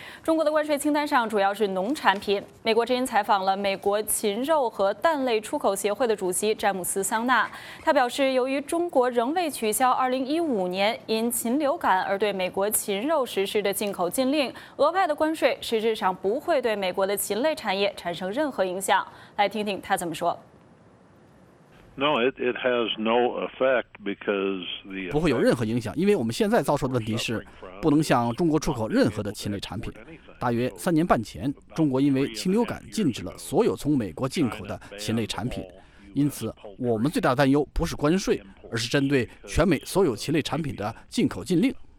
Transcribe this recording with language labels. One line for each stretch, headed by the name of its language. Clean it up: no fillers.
Chinese: 中国的关税清单上主要是农产品。美国之音采访了美国禽肉和蛋类出口协会的主席詹姆斯·桑纳，他表示，由于中国仍未取消2015年因禽流感而对美国禽肉实施的进口禁令，额外的关税实质上不会对美国的禽类产业产生任何影响。来听听他怎么说。
English: No, it has no effect because the
Chinese: 不会有任何影响，因为我们现在遭受的问题是不能向中国出口任何的禽类产品。大约3年半前，中国因为禽流感禁止了所有从美国进口的禽类产品，因此我们最大的担忧不是关税，而是针对全美所有禽类产品的进口禁令。